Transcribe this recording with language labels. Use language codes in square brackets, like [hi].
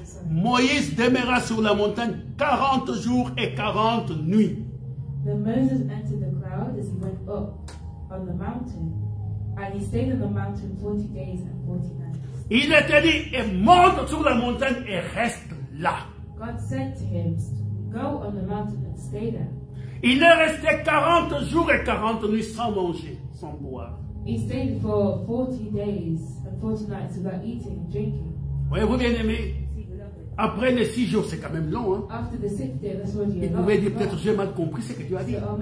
[fr] Moïse demeura sur la montagne 40 jours et 40 nuits. [en] Then Moses entered the cloud as he went up on the mountain, and he stayed on the mountain 40 days and 40 nights. [fr] Il était dit, et monte sur la montagne et reste là. [en] God said to him, go on the mountain and stay there. [fr] Il est resté 40 jours et 40 nuits sans manger, sans boire. [en] He stayed for 40 days and 40 nights without eating and drinking. [fr] Voyez-vous, bien aimé, après les 6 jours, c'est quand même long. Hein? [en] After the sixth day, that's what you're. [fr] Il pouvait dire, peut-être j'ai mal compris ce que Dieu a dit.